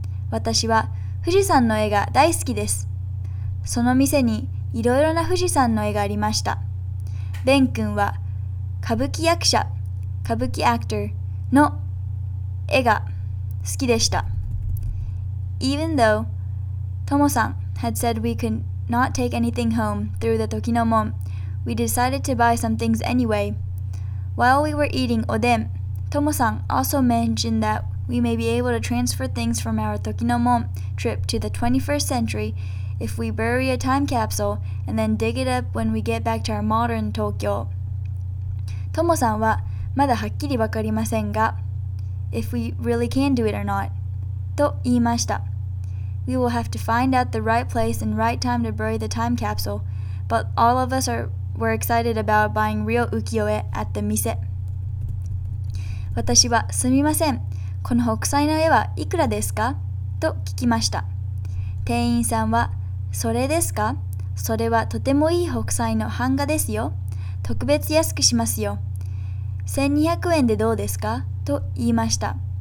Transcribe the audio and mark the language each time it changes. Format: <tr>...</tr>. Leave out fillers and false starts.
<ja>私は富士山の絵が大好きです。その店にいろいろな富士山の絵がありました。ベン君は歌舞伎役者、歌舞伎アクターの絵が好きでした。</ja> <en>Even though Tomo-san had said we could not take anything home through the Tokinomon, we decided to buy some things anyway. While we were eating oden, Tomo-san also mentioned that we may be able to transfer things from our Tokinomon trip to the 21st century if we bury a time capsule and then dig it up when we get back to our modern Tokyo.</en> <ja>トモさんはまだはっきりわかりませんが、</ja> <en>If we really can do it or not,</en> <ja>と言いました。</ja> <en>We will have to find out the right place and right time to bury the time capsule, but all of us were excited about buying real 浮世絵 at the 店。</en> <ja>私はすみません。この北斎の絵はいくらですか? と聞きました。店員さんは、それですか?それはとてもいい北斎の版画ですよ。特別安くしますよ。1200円でどうですか?と言いました。</ja>